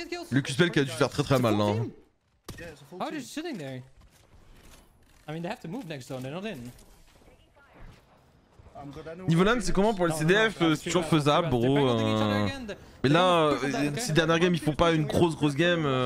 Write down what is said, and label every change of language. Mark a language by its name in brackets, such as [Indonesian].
[French] Lucas Bell qui a dû faire très très mal, hein. [English] How are they sitting there? I mean, they have to move next zone. They're not in. [French] Niveau LAN, c'est comment pour le CDF? C'est toujours faisable, bro. Mais là, ces dernières games, ils font pas une grosse grosse game.